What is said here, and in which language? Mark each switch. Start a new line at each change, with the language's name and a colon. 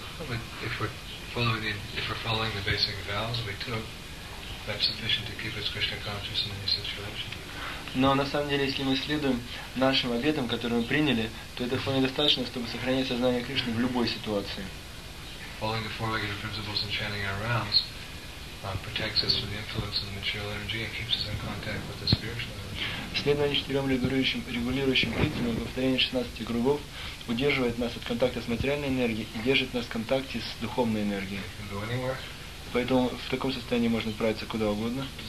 English: But if we're following the basic vows we took, that's sufficient to keep us Krishna conscious in any situation.
Russian: Но на самом деле, если мы следуем нашим обетам, которые мы приняли, то это вполне достаточно, чтобы сохранить сознание Кришны в любой ситуации.
English: Following the four regular principles and chanting our vows protects us from the influence of the material energy and keeps us in contact with the spiritual energy.
Russian: Следование четырем регулирующим принципам, повторение 16 кругов, удерживает нас от контакта с материальной энергией и держит нас в контакте с духовной энергией. Поэтому в таком состоянии можно отправиться куда угодно.